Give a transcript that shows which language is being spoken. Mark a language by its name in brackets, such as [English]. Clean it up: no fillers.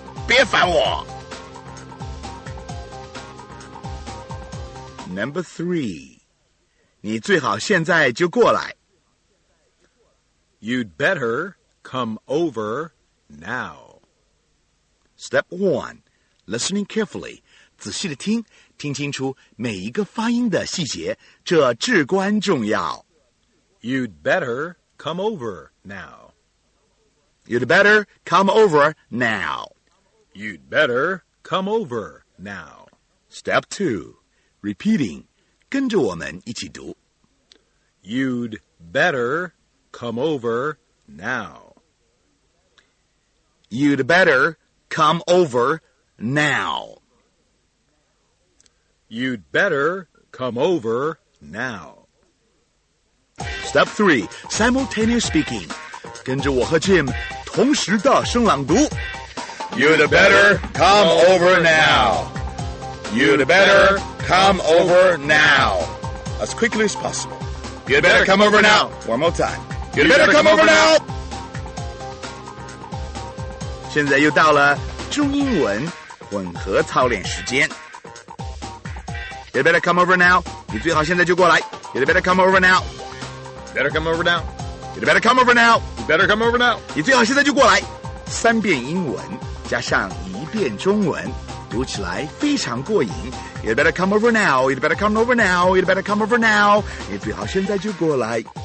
[Chinese] 别烦我. [English] number 3. [Chinese] 你最好现在就过来。 [English] You'd better come over now. Step 1. Listening carefully. [Chinese] 仔细地听, 听清楚每一个发音的细节, 这至关重要。 [English] You'd better come over now. You'd better come over now. You'd better come over now. Step 2. Repeating. [Chinese] 跟着我们一起读. [English] You'd better come over now. You'd better come over now. You'd better come over now. Step 3. Simultaneous speaking. [Chinese] 跟着我和Jim 同时大声朗读. [English] You'd better come over now. You'd better come over now. As quickly as possible. You'd better come over now. One more time. You'd better come over now. [Chinese] 现在又到了中英文混合操练时间. [English] You'd better come over now. [Chinese] 你最好现在就过来. [English] You'd better come over now. Better come over now. You'd better come over now. You better come over now. [Chinese] 你最好现在就过来。三遍英文加上一遍中文, 读起来非常过瘾。 [English] You'd better come over now. You'd better come over now. You'd better come over now. [Chinese] 你最好现在就过来。